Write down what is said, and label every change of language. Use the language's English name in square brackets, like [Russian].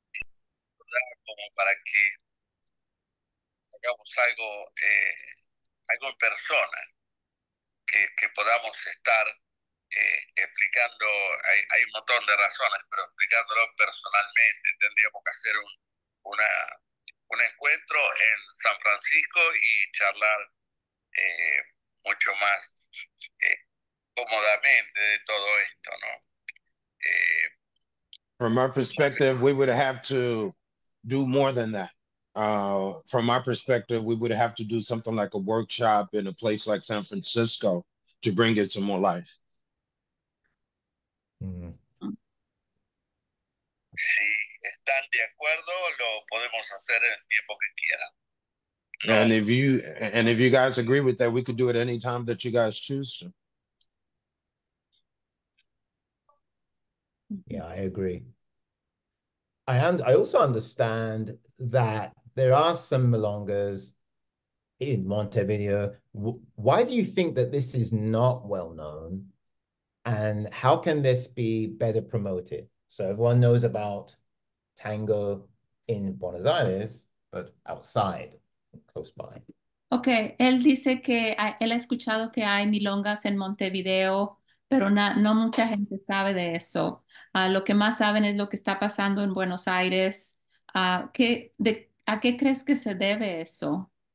[Spanish] Como para que hagamos algo, algo en persona, que podamos estar explicando, hay un montón de razones, pero explicándolo personalmente, tendríamos que hacer un encuentro en San Francisco y charlar mucho más cómodamente de todo esto, ¿no? [English] From our perspective, we would have to do more than that. From our perspective, we would have to do something like a workshop in a place like San Francisco to bring it some more life. [Spanish] Si están de acuerdo, lo podemos hacer en el tiempo que quieran. [English] And if you guys agree with that, we could do it any time that you guys choose to. Yeah, I agree. I also understand that there are some milongas in Montevideo. Why do you think that this is not well known? And how can this be better promoted? So everyone knows about tango in Buenos Aires, but outside, close by. [Spanish] Okay, él dice que él ha escuchado que hay milongas en Montevideo, pero no mucha gente sabe de eso. Lo que más saben es lo que está pasando en Buenos Aires. ¿A qué crees que se debe eso?